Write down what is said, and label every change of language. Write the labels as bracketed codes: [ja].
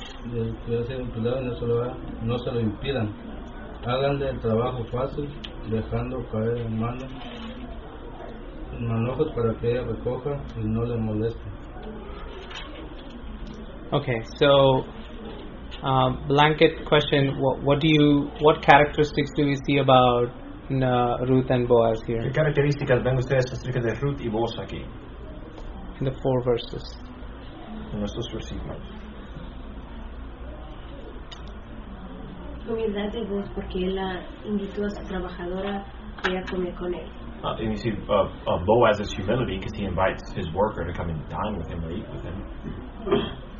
[es] Del que ha sido afilado, no se lo ha, no se lo impidan. Háganle el trabajo fácil, dejando caer en manos, en manojos para que ella recoja y no le moleste. [en] Okay, so blanket question: what characteristics do you see about Ruth and Boaz here? [es] ¿Qué características ven ustedes acerca de Ruth y Boaz aquí? [en] In the four verses. [es] En estos versículos. Humildad de Boaz porque él la invitó a su trabajadora y ella comió con él. [en] And you see Boaz's humility because he invites his worker to come and dine with him or eat with him.